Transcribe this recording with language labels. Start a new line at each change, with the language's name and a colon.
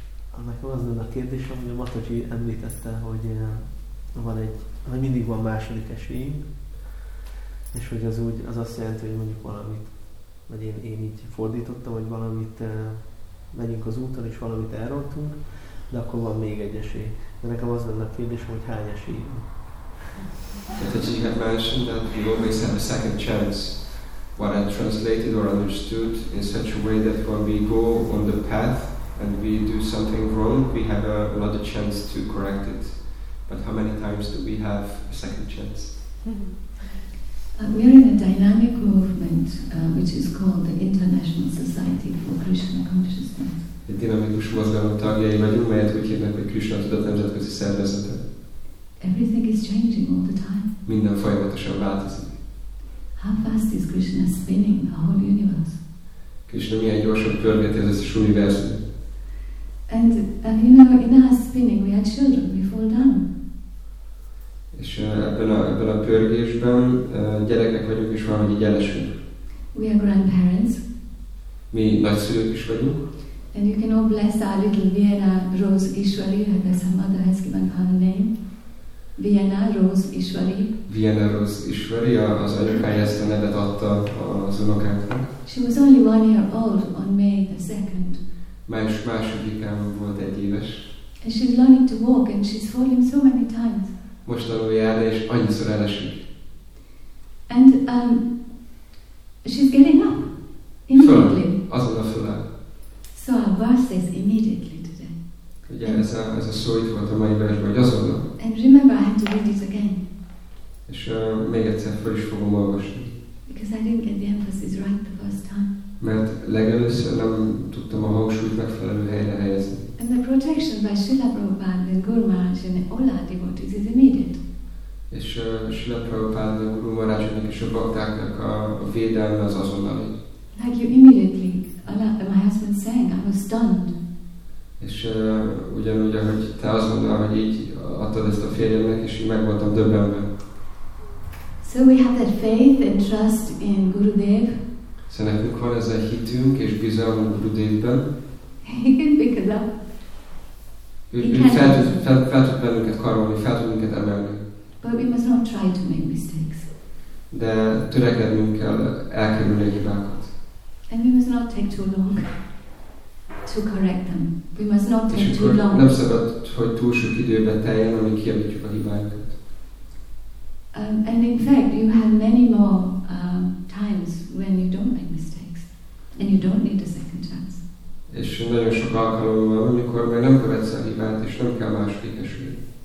Hungarian: Annak az lenne a kérdésem, hogy a Mataji említette, hogy hogy mindig van második esélyünk, és hogy az azt jelenti, hogy mondjuk valamit, vagy én így fordítottam, hogy valamit megyünk az úton, és valamit elrontunk, de akkor van még egy esély. De nekem az lenne a kérdésem, hogy hány esély van.
English: But as you have mentioned, that we always have a second chance. What I translated or understood in such a way that when we go on the path and we do something wrong, we have another chance to correct it. But how many times do we have a second chance? We are in a dynamic movement, which is called the International Society for Krishna Consciousness.
Hungarian: Egy dinamikus mozgalom tagjai vagyunk, melyet úgy hívnak, hogy Krishna Tudat Nemzetközi Szervezete.
English: Everything is changing all the time.
Hungarian: Minden folyamatosan változik.
English: How fast is Krishna spinning the whole universe?
Hungarian: Krishna milyen gyorsan pörgeti az összes univerzumot.
English: And you know, in our spinning, we are children. We fall down.
Hungarian: És ebben a pörgésben gyerekek vagyunk, és valahogy így elesünk.
English: We are grandparents.
Hungarian: Mi nagyszülők is vagyunk.
English: And you can all bless our little Vienna Rose Ishwari, and as her mother has given her name. Vienna Rose Ishwari.
Hungarian: Vienna Rose Ishwari, az anyukája ezt a nevet adta az unokáknak.
English: She was only 1 year old on May the 2nd.
Hungarian: Másodikán volt 1 éves.
English: And she's learning to walk, and she's falling so many times.
Hungarian: Most tanul járni, és annyiszor elesik.
English: And she's getting up immediately.
Hungarian: Azon a fölel.
English: So our verse says immediately today.
Hungarian: Ugye ez a szó itt volt a mai versben, hogy azonnal.
English: And remember, I have to read it again.
Hungarian: És még egyszer fel is fogom olvasni.
English: Because I didn't get the emphasis right the first time.
Hungarian: Mert legelőször nem tudtam a hangsúlyt megfelelő helyre helyezni.
English: And the protection by Srila Prabhupada and Guru Maharaj and all our devotees is immediate.
Hungarian: És Srila Prabhupada, Guru Maharajnak és a baktáknak a védelme az azonnali.
English: Like you immediately, my husband sang, I was stunned.
Hungarian: És ugyanúgy, ahogy te azonnal, hogy így adtad ezt a férjemnek, és így meg voltam döbbenve.
English: So we have that faith and trust in Gurudev.
Hungarian: Szóval nekünk van ez a hitünk és bizalmunk Gurudevben.
English: He can pick us up.
Hungarian: Fel tud bennünket karolni, fel tud minket emelni.
English: But we must not try to make mistakes.
Hungarian: De törekednünk kell elkerülni a hibákat.
English: And we must not take too long to correct them. We must not take too long.
Hungarian: Nem szabad, hogy túl sok időbe teljen, amíg kijavítjuk a hibáinkat.
English: And in fact, you have many more times when you don't make mistakes. And you don't need a second chance.
Hungarian: És nagyon sok alkalommal, amikor még nem követsz a hibát, és nem kell második esélyt.